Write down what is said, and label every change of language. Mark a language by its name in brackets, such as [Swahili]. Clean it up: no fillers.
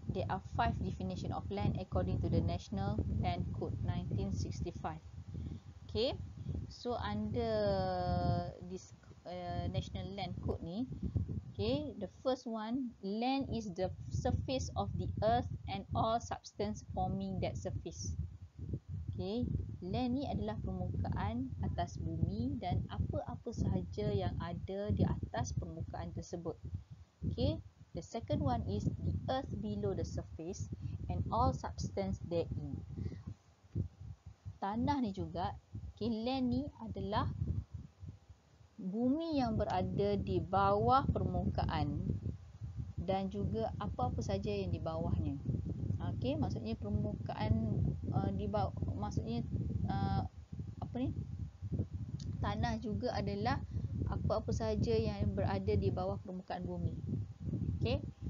[English] There are 5 definition of land according to the National Land Code 1965. Okay, so under this National Land Code ni, okay, the first one, land is the surface of the earth and all substance forming that surface. [Malay] Okay, land ni adalah permukaan atas bumi dan apa-apa sahaja yang ada di atas permukaan tersebut. [English] Okay, the second one is the earth below the surface and all substance therein. [Malay] Tanah ni juga, okay, land ni adalah bumi yang berada di bawah permukaan dan juga apa-apa saja yang di bawahnya. Okey, maksudnya permukaan di bawah, maksudnya apa ni, tanah juga adalah apa-apa saja yang berada di bawah permukaan bumi. Okey.